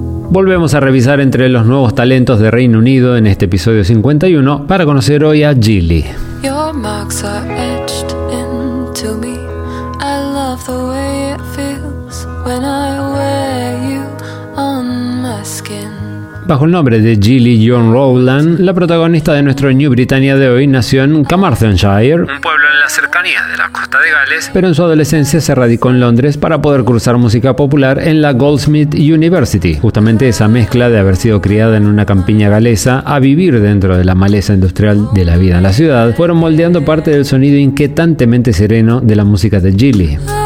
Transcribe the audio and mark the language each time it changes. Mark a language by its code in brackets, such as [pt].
[es] Volvemos a revisar entre los nuevos talentos de Reino Unido en este episodio 51 para conocer hoy a Gilly. [en] Your marks are etched into me. I love the way it feels when I wear you on my skin. [es] Bajo el nombre de Gilly Joan Rowland, la protagonista de nuestro New Britannia de hoy nació en Carmarthenshire, un pueblo en las cercanías de la costa de Gales, pero en su adolescencia se radicó en Londres para poder cursar música popular en la Goldsmith University. Justamente esa mezcla de haber sido criada en una campiña galesa a vivir dentro de la maleza industrial de la vida en la ciudad fueron moldeando parte del sonido inquietantemente sereno de la música de Gilly.